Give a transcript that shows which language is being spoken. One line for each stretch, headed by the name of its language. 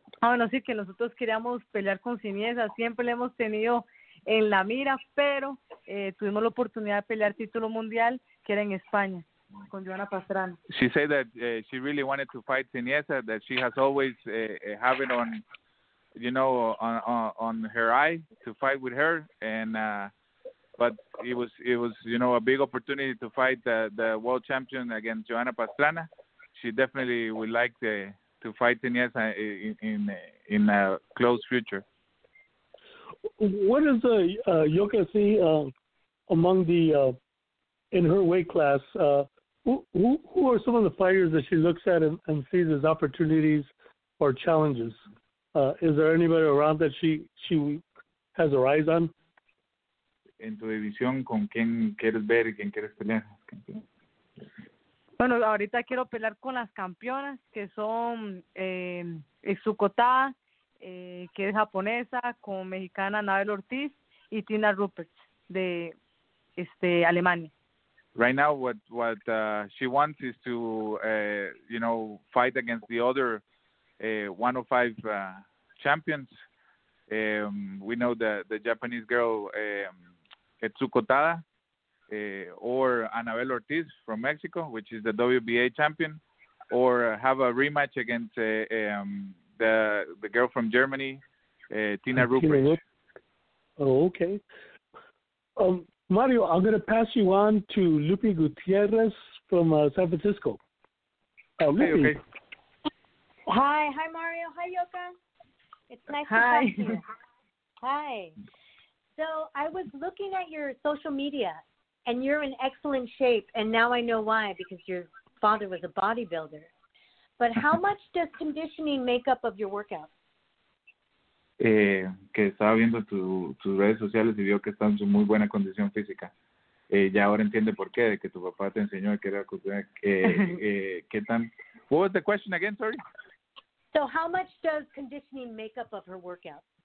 Spanish: Ah, bueno, sí, que nosotros queríamos pelear con Sunisa, siempre le hemos tenido en la mira, pero tuvimos la oportunidad de pelear título mundial, que era en España.
English: She said that she really wanted to fight Sunisa, that she has always have it on, you know, on her eye to fight with her, and but it was you know, a big opportunity to fight the world champion against Joana Pastrana. She definitely would like to fight Sunisa in a close future. What is the Yoka see among the in her weight class? Who are some of the fighters that she looks at and sees as opportunities or challenges? Is there anybody around that she has her eyes on?
Spanish: En tu división, ¿con quién quieres ver y quién quieres pelear? Bueno, ahorita quiero pelear con las campeonas, que son Exukota, que es japonesa, con mexicana Nabel Ortiz y Tina Rupert, de Alemania.
English: Right now, what she wants is to, you know, fight against the other 105 champions. We know the Japanese girl, Etsuko Tada, or Anabel Ortiz from Mexico, which is the WBA champion, or have a rematch against the girl from Germany, Tina Rupert. Oh, okay. Mario, I'm going to pass you on to Lupi Gutierrez from San Francisco. Hi, hi Mario, hi Yoka. It's nice to talk to you. Hi. So I was looking at your social media, and you're in excellent shape, and now I know why, because your father was a bodybuilder. But how much does conditioning make up of your workout?
Spanish: Que estaba viendo tus redes sociales y vio que están en muy buena condición física. Ya ahora entiende por qué, de que tu papá te enseñó que era cuestión qué tan.
English: What was the question again? Sorry. So how much does conditioning make up of her workout?